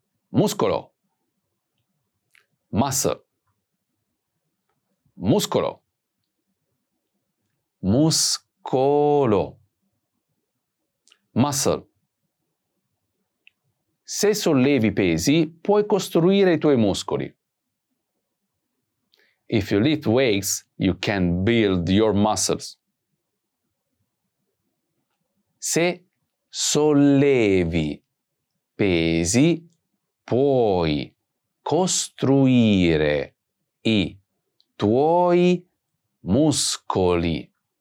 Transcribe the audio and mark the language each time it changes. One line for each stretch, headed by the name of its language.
Italian: Muscolo. Muscle. Muscolo. Muscolo. Muscle. Se sollevi pesi, puoi costruire i tuoi muscoli.
English: If you lift weights, you can build your muscles.
Italian: Se sollevi pesi, puoi costruire i tuoi muscoli.